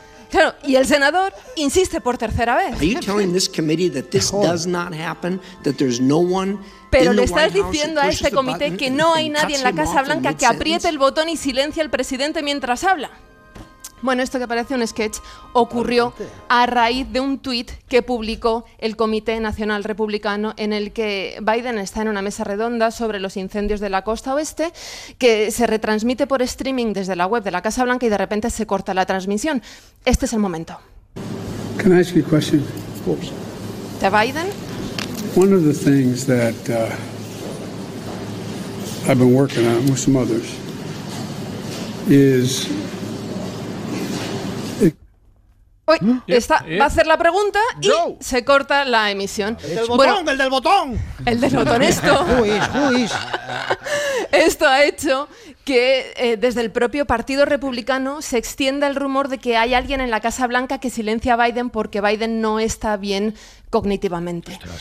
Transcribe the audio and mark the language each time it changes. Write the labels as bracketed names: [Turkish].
[Spanish] Claro, y el senador insiste por tercera vez. [English] Are you telling this committee that this does not happen, that there's no one? [Spanish] Pero le estás diciendo a este comité que no hay nadie en la Casa Blanca que apriete el botón y silencie al presidente mientras habla. Bueno, esto que parece un sketch ocurrió a raíz de un tuit que publicó el Comité Nacional Republicano en el que Biden está en una mesa redonda sobre los incendios de la costa oeste que se retransmite por streaming desde la web de la Casa Blanca y de repente se corta la transmisión. Este es el momento. [English] Can I ask you a question? [Spanish] ¿De Biden? [English] One of the things that I've been working on with some others is... [Spanish] Uy, está, va a hacer la pregunta y se corta la emisión. ¡El del botón! Esto. ¡Juis! Esto ha hecho que desde el propio Partido Republicano se extienda el rumor de que hay alguien en la Casa Blanca que silencia a Biden porque Biden no está bien cognitivamente.